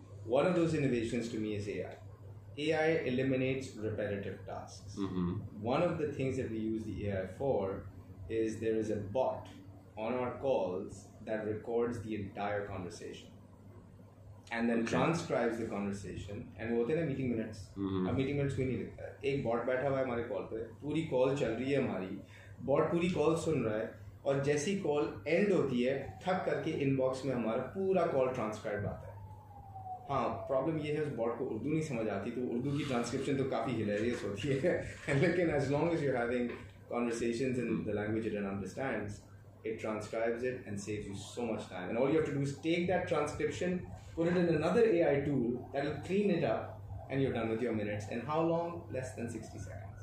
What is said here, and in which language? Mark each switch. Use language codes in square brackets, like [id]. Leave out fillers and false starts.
[en] One of those innovations to me is AI. AI eliminates repetitive tasks. One of the things that we use the AI for is there is a bot on our calls that records the entire conversation. and then transcribes the conversation. And what are the meeting minutes? Mm-hmm. Meeting minutes we need. [hi] एक bot बैठा हुआ है हमारे call पे. पूरी call चल रही है हमारी. Bot पूरी call सुन रहा है. और जैसी call end होती है, थक करके inbox में हमारा पूरा call transcribed आता है. हाँ, problem ये है उस bot को उर्दू नहीं समझ आती, तो उर्दू की transcription तो काफी hilarious होती है. [en] लेकिन as long as you're having conversations in the language it understands, it transcribes it and saves you so much time. And all you have to do is take that transcription, put it in another AI tool that will clean it up, and you're done with your minutes. And how long? Less than 60 seconds.